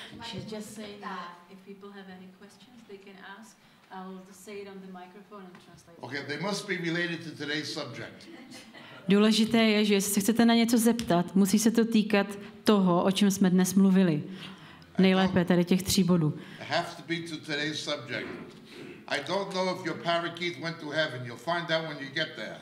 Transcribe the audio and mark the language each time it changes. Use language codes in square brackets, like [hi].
[en] should just say that if people have any questions, they can ask. I'll say it on the microphone and translate. Okay, they must be related to today's subject. [cs] Důležité je, že jestli chcete na něco zeptat, musí se to týkat toho, o čem jsme dnes mluvili. Nejlépe tady těch tří bodů. [en] Have to be to today's subject. I don't know if your parakeet went to heaven. You'll find out when you get there.